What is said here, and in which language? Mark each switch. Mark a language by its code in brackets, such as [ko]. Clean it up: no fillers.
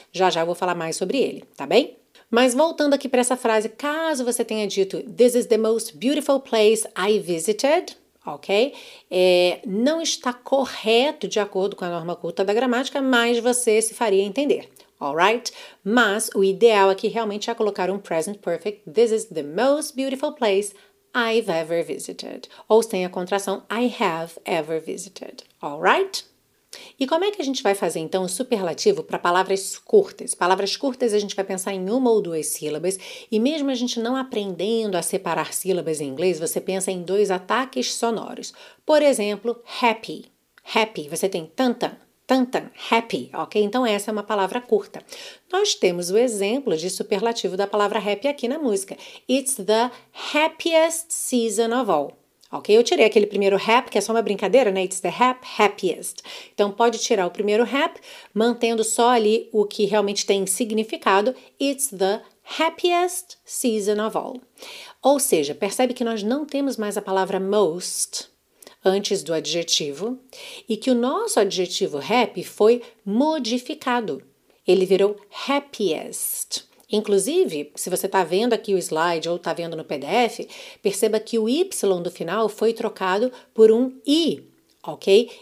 [pt] Já eu vou falar mais sobre ele, tá bem? Mas voltando aqui para essa frase, caso você tenha dito [en] This is the most beautiful place I visited, [pt] ok? Não está correto de acordo com a norma culta da gramática, mas você se faria entender. Alright? Mas o ideal aqui realmente é colocar um present perfect. [en] This is the most beautiful place I've ever visited. [pt] Ou sem a contração [en] I have ever visited. Alright? [pt] E como é que a gente vai fazer então o superlativo para palavras curtas? Palavras curtas a gente vai pensar em uma ou duas sílabas, e mesmo a gente não aprendendo a separar sílabas em inglês, você pensa em dois ataques sonoros. Por exemplo, happy. Happy. Você tem tantan. Tantan, happy, ok? Então essa é uma palavra curta. Nós temos o exemplo de superlativo da palavra happy aqui na música. [en] It's the happiest season of all, ok? [pt] Eu tirei aquele primeiro happy, que é só uma brincadeira, né? [en] It's the happiest. [pt] Então pode tirar o primeiro happy, mantendo só ali o que realmente tem significado. [en] It's the happiest season of all. [pt] Ou seja, percebe que nós não temos mais a palavra most antes do adjetivo, e que o nosso adjetivo happy foi modificado. Ele virou happiest. Inclusive, se você está vendo aqui o slide ou está vendo no PDF, perceba que o Y do final foi trocado por um I, ok?